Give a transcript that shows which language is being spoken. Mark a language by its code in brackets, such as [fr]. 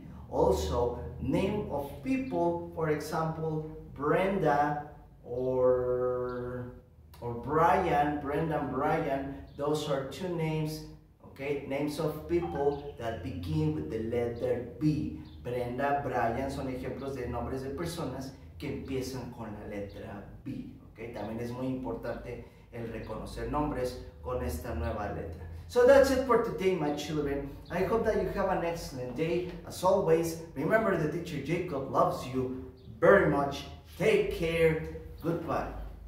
[en] Also, name of people, for example, Brenda or Brian, Brenda and Brian, those are two names, okay? Names of people that begin with the letter B. [es] Brenda, Brian son ejemplos de nombres de personas que empiezan con la letra B, okay? También es muy importante el reconocer nombres con esta nueva letra. [en] So that's it for today, my children. I hope that you have an excellent day. As always, remember the teacher Jacob loves you very much. Take care. Goodbye.